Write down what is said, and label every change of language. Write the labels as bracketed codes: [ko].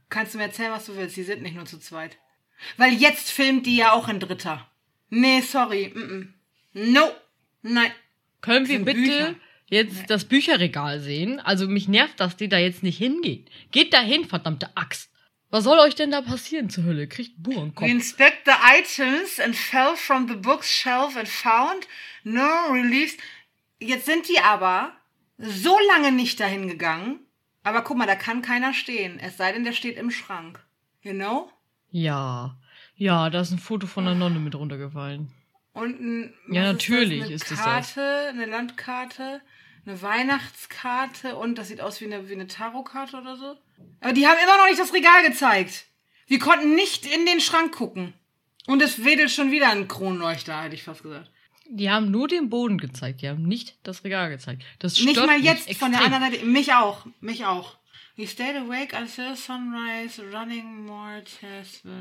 [de] Kannst du mir erzählen, was du willst? Die sind nicht nur zu zweit. Weil jetzt filmt die ja auch ein Dritter. Nee, sorry. Mm-mm. No. Nein. Können wir bitte Bücher. Jetzt Nein. das Bücherregal sehen? Also mich nervt, dass die da jetzt nicht hingehen. Geht da hin, verdammte Axt. Was soll euch denn da passieren zur Hölle? Kriegt Burenkopf. [en] We inspect the items and fell from the bookshelf and found no release. [de] Jetzt sind die aber so lange nicht dahin gegangen. Aber guck mal, da kann keiner stehen. Es sei denn, der steht im Schrank. [en] You know? [de] Ja. Ja, da ist ein Foto von der Nonne mit runtergefallen. Und ein, ja, natürlich ist das eine Karte, eine Landkarte, eine Weihnachtskarte und das sieht aus wie eine Tarotkarte oder so. Aber die haben immer noch nicht das Regal gezeigt. Wir konnten nicht in den Schrank gucken. Und es wedelt schon wieder ein Kronleuchter, hätte ich fast gesagt. Die haben nur den Boden gezeigt, die haben nicht das Regal gezeigt. Das stört nicht mal jetzt extrem. Von der anderen Seite. Mich auch, mich auch. [en] We stayed awake until sunrise, running more tests.